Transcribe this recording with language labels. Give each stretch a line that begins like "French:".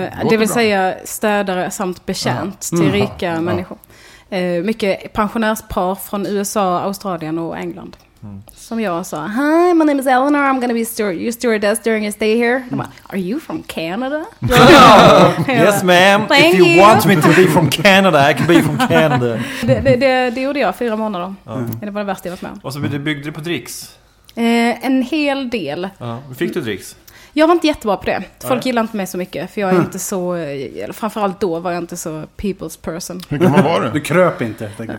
Swedish: Det vill säga städare samt betjänt till rika människor. Mycket pensionärspar från USA, Australien och England. Mm. Som jag sa,
English: hi, my name is Eleanor, I'm gonna be your stewardess during your stay here. Mm. Are you from Canada? Yes ma'am, thank if you want me to be from Canada, I can be from Canada.
Swedish: Det gjorde jag 4 månader, det var det värsta jag varit med. Och så byggde du på dricks? En hel del. Fick du dricks? Jag var inte jättebra på det, folk gillar inte mig så mycket. För jag är inte så, framförallt då var jag inte så
English: people's person.
Swedish: Hur gammal var du? Du kröp inte.